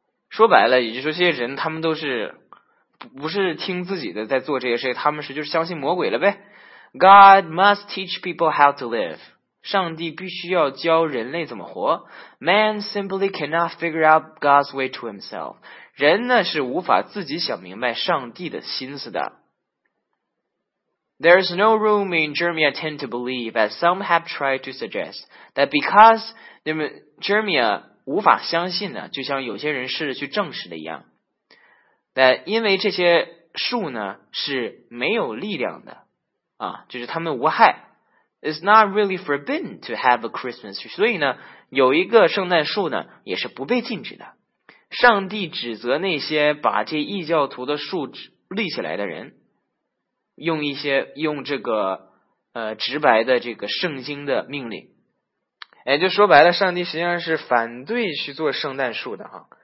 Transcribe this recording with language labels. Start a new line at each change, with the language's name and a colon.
Chinese: 说白了也就是说这些人他们都是不是听自己的在做这些事，他们是就是相信魔鬼了呗。
English: God must teach people how to live.
Chinese: 上帝必须要教人类怎么活。
English: Man simply cannot figure out God's way to himself.
Chinese: 人呢是无法自己想明白上帝的心思的。
English: There is no room in Jeremiah 10 to believe, as some have tried to suggest, that because Jeremiah
Chinese: 无法相信呢，就像有些人试着去证实的一样。但因为这些树呢是没有力量的啊，就是他们无害。
English: It's not really forbidden to have a Christmas tree.
Chinese: 所以呢有一个圣诞树呢也是不被禁止的。上帝指责那些把这异教徒的树立起来的人，用这个直白的这个圣经的命令。哎，就说白了上帝实际上是反对去做圣诞树的啊。